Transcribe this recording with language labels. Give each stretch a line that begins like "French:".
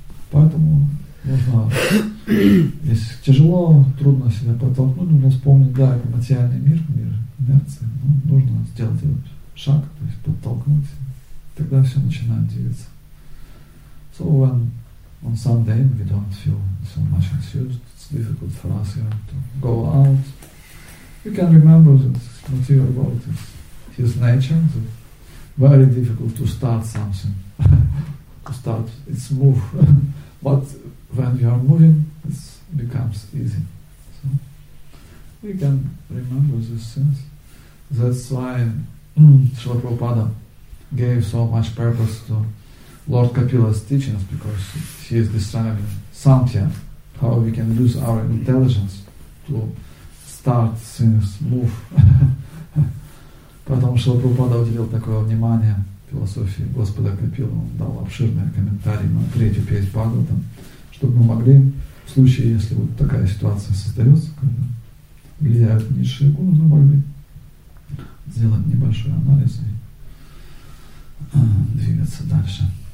Russian: Поэтому нужно, если тяжело, трудно себя подтолкнуть, нужно вспомнить, да, это материальный мир, мир инерции, но нужно сделать этот шаг, то есть подтолкнуть, тогда все начинает двигаться.
English: So when on some day we don't feel so much enthused, it's difficult for us here to go out, we can remember that material world is his nature, so very difficult to start something, to start its move. But when you are moving, it becomes easy. So we can remember this sense. That's why Srila Prabhupada gave so much purpose to Lord Kapila's teachings, because he is describing Samkhya, how we can use our intelligence to start things move.
Russian: Поэтому Шилапрабхупада уделил такое внимание философии Господа Капилы. Он дал обширный комментарий на третью песнь Бхагаватам, чтобы мы могли, в случае, если вот такая ситуация создается, когда влияют низшие гуны, мы могли сделать небольшой анализ и двигаться дальше.